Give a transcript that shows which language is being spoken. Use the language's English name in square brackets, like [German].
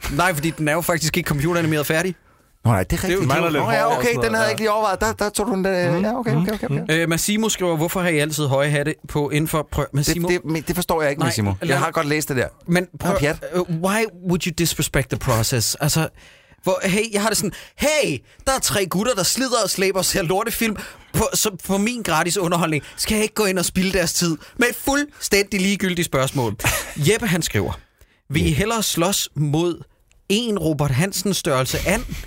[Danish] Nej, fordi den er jo faktisk ikke computeranimeret færdig. Nå nej, det er rigtigt. Det er jo okay, okay, den havde jeg ikke lige overvejet. Der tog du den. Okay. Massimo skriver, hvorfor har I altid høje hatte på inden for Massimo? Det forstår jeg ikke, nej, Massimo. Jeg har godt læst det der. Men prøv, [English] why would you disrespect the process? [Danish] Altså... Hvor, hey, jeg har det sådan, hey, der er tre gutter, der slider og slæber og ser lortefilm på min gratis underholdning. Skal jeg ikke gå ind og spilde deres tid med et fuldstændig ligegyldigt spørgsmål? Jeppe, han skriver, vil I hellere slås mod en Robert Hansens størrelse and?